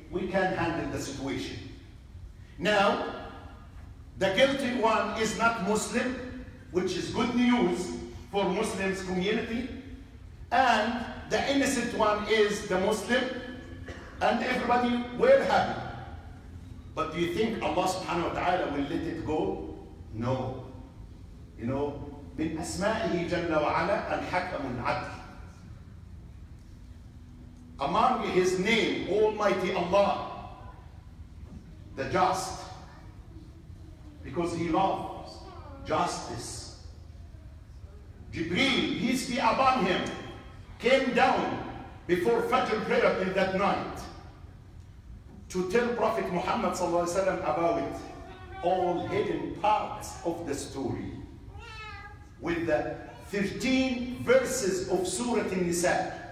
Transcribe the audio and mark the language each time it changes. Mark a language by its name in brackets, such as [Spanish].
[English] We can handle the situation. Now, the guilty one is not Muslim, which is good news for Muslims community. And the innocent one is the Muslim, and everybody will happy. But do you think Allah subhanahu wa ta'ala will let it go? No. You know, [Arabic] من أسمائه جل وعلا الحكم العدل. [English] Among his name, Almighty Allah, the just, because he loves justice. Jibreel, peace be upon him, came down before Fajr prayer in that night to tell Prophet Muhammad sallallahu alaihi wasallam about all hidden parts of the story with the 13 verses of Surah An-Nisa.